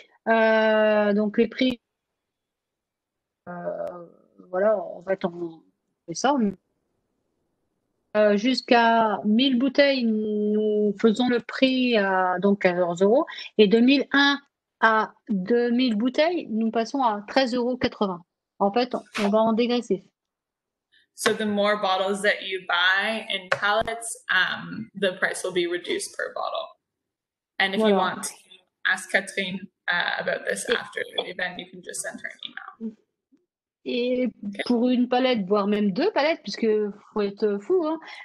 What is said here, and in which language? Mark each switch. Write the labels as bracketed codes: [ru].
[fr] Donc les prix, voilà, en fait, on fait ça. Jusqu'à 1000 bouteilles, nous faisons le prix à donc 14 euros. Et de 1001 à 2000 bouteilles, nous passons à 13,80 euros. En fait, on va en dégressif. [en] So the more bottles that you buy in pallets, the price will be reduced per bottle. And if voilà. You want to ask Catherine about this after the event, you can just send her an email. [fr] Et okay. Pour une palette, voire même deux palettes, puisque faut être fou, hein.